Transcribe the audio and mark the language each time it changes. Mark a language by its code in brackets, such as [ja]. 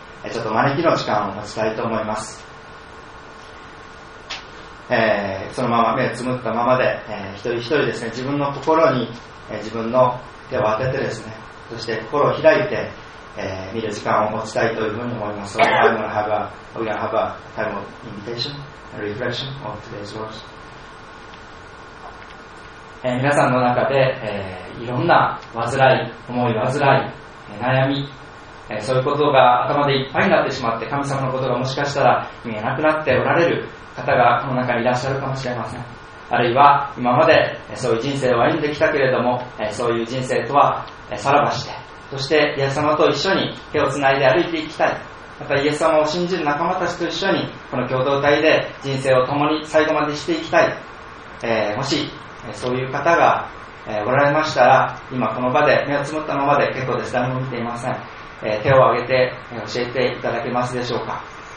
[ja] ちょっと招きの時間を持ちたいと思います。そのまま目をつむったままで、一人一人ですね、自分の心に、自分の手を当ててですね、そして心を開いて、見る時間を持ちたいというふうに思います。 [en] So, I'm gonna have a, we're gonna have a time of invitation, a reflection of today's words. [ja] 皆さんの中で、いろんな煩い、思い煩い、悩み、そういうことが頭でいっぱいになってしまって、神様のことがもしかしたら見えなくなっておられる方がこの中にいらっしゃるかもしれません。あるいは今までそういう人生を歩んできたけれども、そういう人生とはさらばして、そしてイエス様と一緒に手をつないで歩いていきたい、またイエス様を信じる仲間たちと一緒にこの共同体で人生を共に最後までしていきたい、もしそういう方がおられましたら、今この場で目をつむったままで結構です、誰も見ていません、手を挙げて教えていただけますでしょうか。